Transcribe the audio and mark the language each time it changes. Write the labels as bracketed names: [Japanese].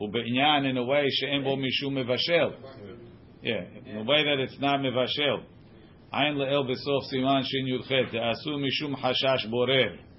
[Hebrew] ובעניין, [English] in a way, [Hebrew] שאין בו משום מבשל. [English] Yeah, in a way that it's not מבשל. [Hebrew] עין לאל בסוף סימן שי"ח, תעשו משום חשש בורר.